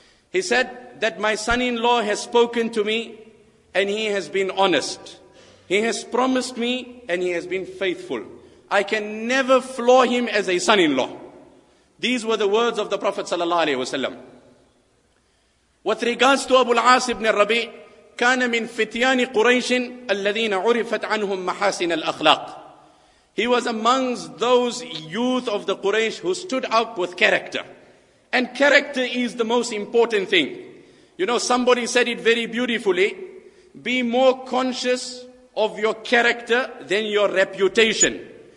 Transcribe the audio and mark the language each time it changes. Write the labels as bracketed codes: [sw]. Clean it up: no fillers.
[en] He said that my son-in-law has spoken to me and he has been honest. He has promised me and he has been faithful. I can never flaw him as a son-in-law. These were the words of the Prophet sallallahu alaihi wasallam. With regards to [ar] Abu al-As ibn al-Rabi, كان من فتيان قريش الذين عرفت عنهم محاسن الأخلاق. [en] He was amongst those youth of the Quraysh who stood out with character. And character is the most important thing. You know, somebody said it very beautifully, be more conscious of your character than your reputation.